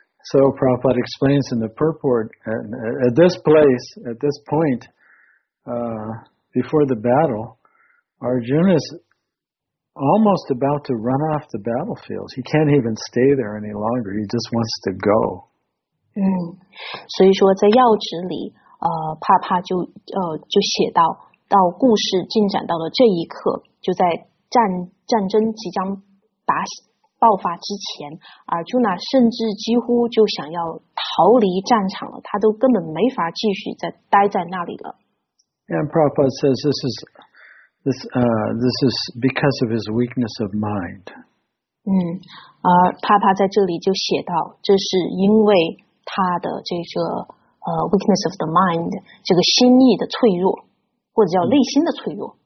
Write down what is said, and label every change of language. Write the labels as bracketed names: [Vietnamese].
[English] So Prabhupada explains in the purport, at this place, at this point, before the battle, Arjuna is almost about to run off the battlefield. He can't even stay there any longer. He just wants to go. [Chinese] 所以说在要旨里，帕帕就写到故事进展到了这一刻，就在战争即将打爆发之前，阿朱娜甚至几乎就想要逃离战场了，他都根本没法继续再待在那里了。 [English] And Prabhupada says this is because of his weakness of mind. [Chinese] 而帕帕在这里就写到，这是因为他的这个 [English] weakness of the mind， [Chinese] 这个心意的脆弱，或者叫内心的脆弱。